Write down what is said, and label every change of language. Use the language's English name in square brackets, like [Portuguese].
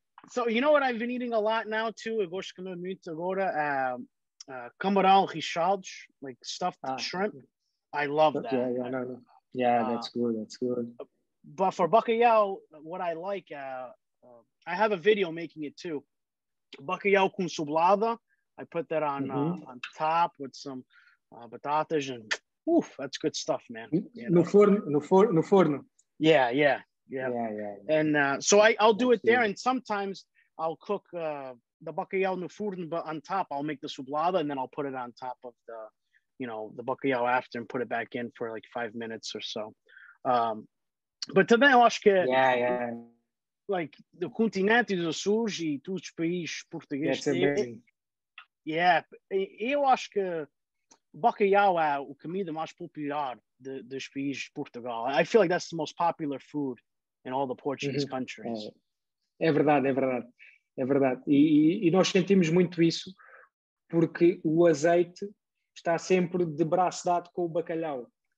[English] So, you know what I've been eating a lot now, too? [Portuguese] Eu gosto de comer muito agora, camarão rechado, [English] like stuffed shrimp. I love that. Yeah, that's good. But for bacalhau, what I like, I have a video making it, too. [Portuguese] Bacalhau com sublada. [English] I put that on on top with some batatas and oof, that's good stuff, man. [Portuguese] No forno. [English] Yeah. And so I'll do it there, and sometimes I'll cook the bacalhau [Portuguese] no forno, [English] but on top I'll make the sublada and then I'll put it on top of the, you know, the bacalhau after and put it back in for like 5 minutes or so. But [Portuguese] também eu acho que [English] like the [Portuguese] continente do sul e todos os países portugueses. Eu acho que bacalhau é o comida mais popular dos países de Portugal. [English] I feel like that's the most popular food in all the Portuguese countries. [Portuguese] É verdade. E nós sentimos muito isso, porque o azeite está sempre de braço dado com o bacalhau.